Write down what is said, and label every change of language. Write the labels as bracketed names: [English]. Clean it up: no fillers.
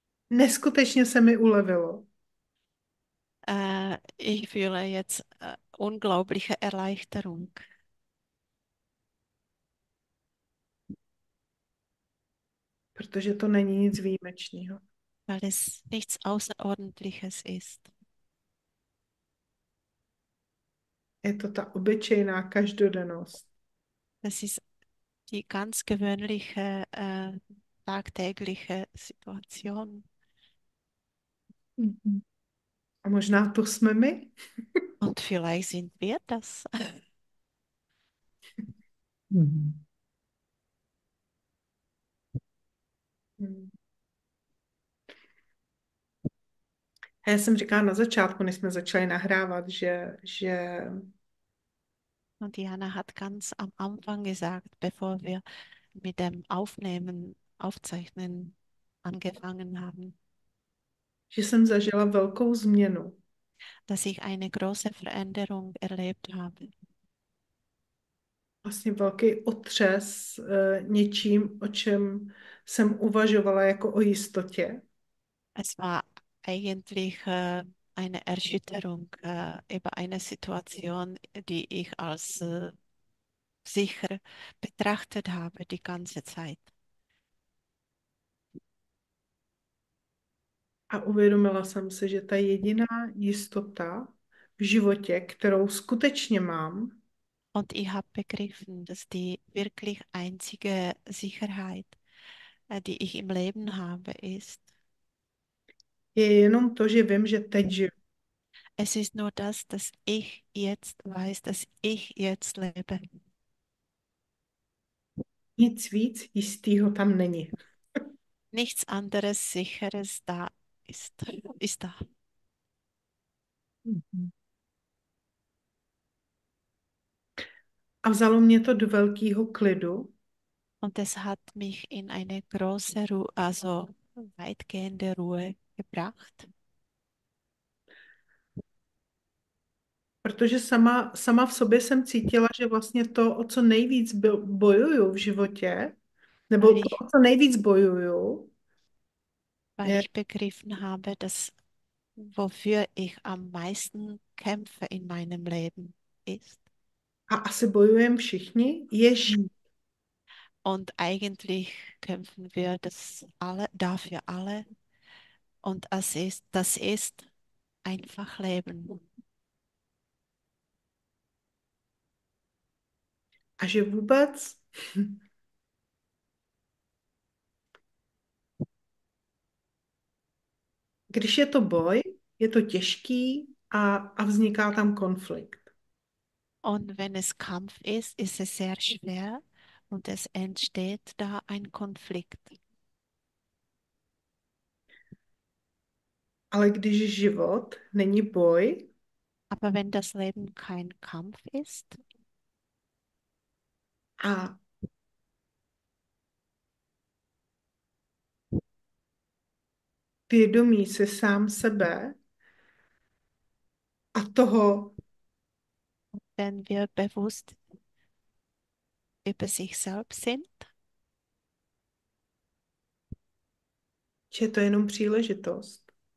[Czech] Neskutečně se mi ulevilo. [German] Ich fühle jetzt unglaubliche Erleichterung. [Czech] Protože to není nic výjimečného. [German] Weil es nichts Außerordentliches ist. [Czech] Je to ta obyčejná každodennost. [German] Das ist die ganz gewöhnliche, tagtägliche Situation. [Czech] A možná to jsme my? [German] Und vielleicht sind wir das. [Czech] Já jsem říkala na začátku, než jsme začali nahrávat, že [German] Und Jana hat ganz am Anfang gesagt, bevor wir mit dem Aufzeichnen angefangen haben, [Czech] Jsem zažila velkou změnu. [German] dass ich eine große Veränderung erlebt habe. [Czech] Vlastně velký otřes něčím, o čem jsem uvažovala jako o jistotě. [German] Es war eigentlich eine Erschütterung über eine Situation, die ich als sicher betrachtet habe, die ganze Zeit. [Czech] A uvědomila jsem si, že ta jediná jistota v životě, kterou skutečně mám, [German] Und ich habe begriffen, dass die wirklich einzige Sicherheit, die ich im Leben habe, ist, [Czech] je jenom to, že vím, že teď žiju. [German] Es ist nur das, dass ich jetzt weiß, dass ich jetzt lebe. [Czech] Nic víc jistého tam není. [German] Nichts anderes Sicheres da ist da. [Czech] A vzalo mě to do velkého klidu. [German] Und es hat mich in eine große Ruhe, also weitgehende Ruhe gebracht. [Czech] Protože sama v sobě jsem cítila, že vlastně to, o co nejvíc bojuju v životě, nebo to, o co nejvíc bojuju, [German] Weil [Czech] je. [German] ich begriffen habe, dass wofür ich am meisten kämpfe in meinem Leben ist. [Czech] A asi bojujeme všichni, je žít. [German] Und eigentlich kämpfen wir das alle, dafür alle. Und das ist einfach Leben. [Czech] A že vůbec, když je to boj, je to těžký a vzniká tam konflikt. [German] Und wenn es Kampf ist, ist es sehr schwer und es entsteht da ein Konflikt. [Czech] Ale když život není boj, [German] Aber wenn das Leben kein Kampf ist, [Czech] a vědomí se sám sebe a toho, [German] wenn wir bewusst über sich selbst sind. [Czech] že to je jenom příležitost.